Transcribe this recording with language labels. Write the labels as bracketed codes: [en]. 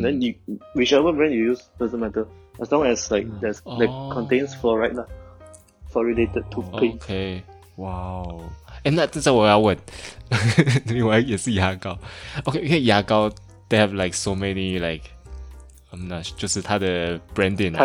[en] Then you, whichever brand you use doesn't matter, as long as like there's、oh. that contains fluoride lah, fluoridated toothpaste. Okay, wow. [zh] 那这我要问，另外也是牙膏。 [en] Okay, [zh] 因为牙膏 [en] they have like so many like, I'm not [zh] 就是它的 [en] branding、啊、